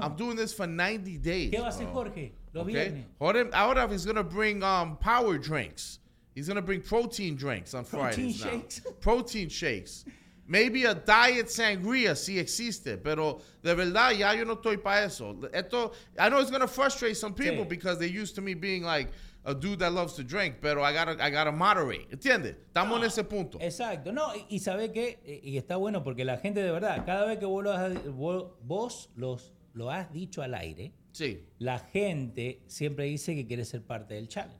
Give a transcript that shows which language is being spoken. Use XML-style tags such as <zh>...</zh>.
<en>I'm doing this for 90 days.</en> <es>¿Qué va a hacer Jorge? Okay.</es> <en>Jorge,</en> <es>ahora</es> <en>he's going to bring power drinks. He's going to bring protein drinks on protein Fridays shakes. Now. Protein shakes. Maybe a diet sangria,</en> <es>si existe. Pero de verdad, ya yo no estoy para eso.</es> <en>Esto, I know it's going to frustrate some people, sí. Because they're used to me being like, a dude that loves to drink, pero I gotta moderate.</en> <es>¿Entiendes? Estamos en ese punto. Exacto. No, y ¿sabe qué? Y está bueno porque la gente, de verdad, cada vez que vos lo has dicho al aire, sí. La gente siempre dice que quiere ser parte del chat.</es>